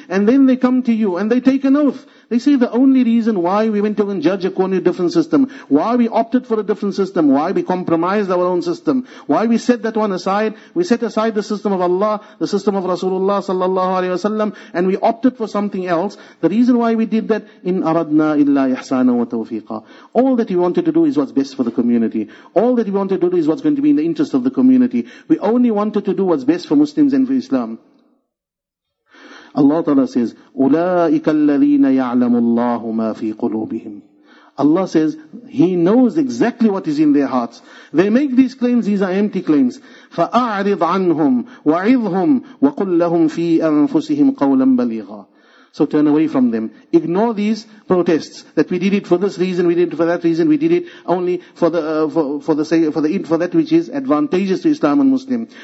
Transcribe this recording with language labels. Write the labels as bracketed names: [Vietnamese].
[English] And then they come to you and they take an oath. They say the only reason why we went to and judge according to a different system, why we opted for a different system, why we compromised our own system, why we set that one aside, we set aside the system of Allah, the system of Rasulullah sallallahu alayhi wa sallam, and we opted for something else. The reason why we did that, [Arabic] إِنْ أَرَدْنَا إِلَّا إِحْسَانًا وَتَوْفِيقًا. [English] All that we wanted to do is what's best for the community. All that we wanted to do is what's going to be in the interest of the community. We only wanted to do what's best for Muslims and for Islam. Allah Ta'ala says, [Arabic] أُولَٰئِكَ الَّذِينَ يَعْلَمُ اللَّهُ مَا فِي قُلُوبِهِمْ. [English] Allah says, He knows exactly what is in their hearts. They make these claims, these are empty claims. [Arabic] فَأَعْرِضْ عَنْهُمْ وَعِظْهُمْ وَقُلْ لَهُمْ فِي أَنفُسِهِمْ قَوْلًا بَلِيغًا. [English] So turn away from them. Ignore these protests that we did it for this reason, we did it for that reason, we did it only for that which is advantageous to Islam and Muslim.